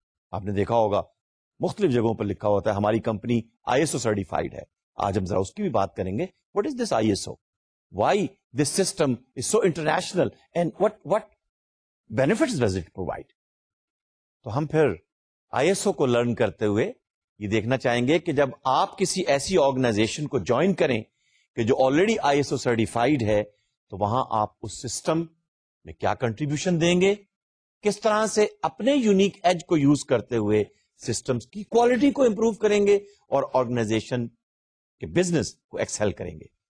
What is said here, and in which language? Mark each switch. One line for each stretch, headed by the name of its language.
Urdu: آپ نے دیکھا ہوگا مختلف جگہوں پر لکھا ہوتا ہے ہماری کمپنی ISO certified ہے. آج ہم ذرا اس کی بھی بات کریں گے.
English: What is this ISO? Why this system is so international and what benefits does it provide?
Urdu: تو ہم پھر ISO کو لرن کرتے ہوئے یہ دیکھنا چاہیں گے کہ جب آپ کسی ایسی آرگنائزیشن کو جوائن کریں کہ جو آلریڈی ISO certified ہے تو وہاں آپ اس سسٹم میں کیا کنٹریبیوشن دیں گے, کس طرح سے اپنے یونیک ایج کو یوز کرتے ہوئے سسٹمز کی کوالٹی کو امپروو کریں گے اور آرگنائزیشن کے بزنس کو ایکسل کریں گے.